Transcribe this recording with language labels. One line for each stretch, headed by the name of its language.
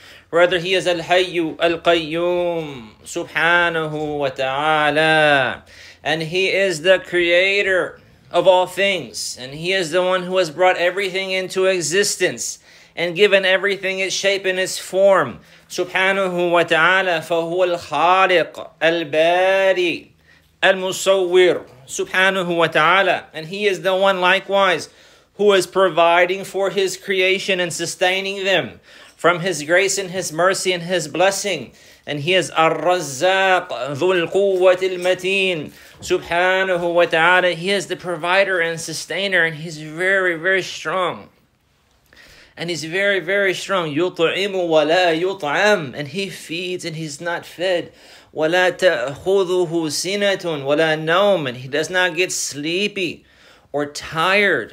English: Rather, He is
Arabic: Al-Hayyu Al-Qayyum, Subhanahu wa ta'ala.
English: And He is the creator of all things and He is the one who has brought everything into existence and given everything its shape and its form.
Arabic: Subhanahu wa ta'ala, فَهُوَ الْخَالِقُ الْبَارِئُ الْمُصَوِّرُ. Subhanahu wa ta'ala.
English: And He is the one likewise who is providing for His creation and sustaining them from His grace and His mercy and His blessing. And He is
Arabic: الرزاق ذو القوة المتين. Subhanahu wa ta'ala.
English: He is the provider and sustainer and He's very, very strong. And He's very, very strong.
Arabic: يُطْعِمُ وَلَا يُطْعَمُ.
English: And He feeds and He's not fed.
Arabic: وَلَا تَأْخُذُهُ سِنَةٌ وَلَا نَوْمٌ.
English: And He does not get sleepy or tired.